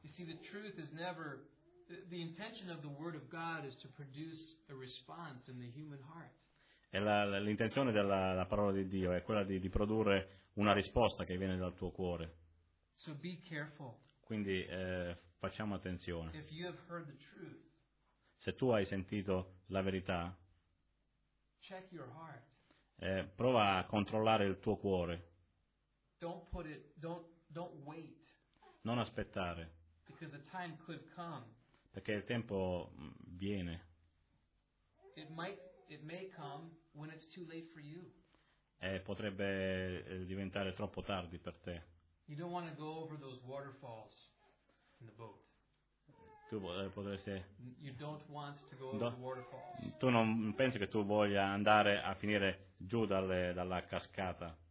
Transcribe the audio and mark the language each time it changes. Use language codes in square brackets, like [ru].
[en] You see, the truth is never the intention of the word of God is to produce a response in the human heart. [it] E l'intenzione della la parola di Dio è quella di produrre una risposta che viene dal tuo cuore. [en] So be careful. [it] Quindi facciamo attenzione. [en] If you have heard the truth, [it] se tu hai sentito la verità, [en] check your heart. [it] Prova a controllare il tuo cuore. [en] Don't wait. [it] Non aspettare. [en] Because the time could come. [it] Perché il tempo viene. [en] It may come when it's too late for you. [it] Potrebbe diventare troppo tardi per te. [en] You don't want to go over those waterfalls in the boat. [it] Tu potresti. [en] You don't want to go over the waterfalls. [it] Tu non pensi che tu voglia andare a finire giù dalla cascata.